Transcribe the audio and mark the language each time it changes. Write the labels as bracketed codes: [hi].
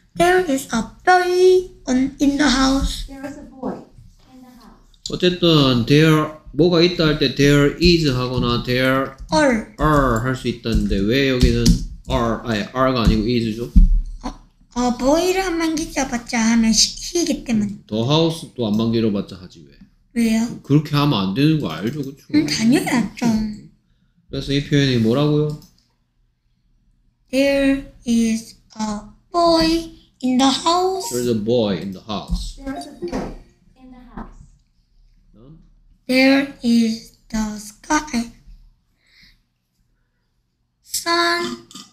[en] There is a boy in the house. There is a boy in the house. [ko] 어쨌든 there 뭐가 있다 할 때 there is 하거나 there are 할 수 있다는데 왜 여기는 R가 아니고 is죠? 보이를 한 번 기져봤자 하면 he이기 때문에 더 하우스도 한 번 기져봤자 하지 왜? 왜요? 그렇게 하면 안 되는 거 알죠? 그쵸? 당연하죠. 그래서 이 표현이 뭐라고요? [en] There is a boy in the house. There is a boy in the house. There is a boy in the house. There is the sky. Sun.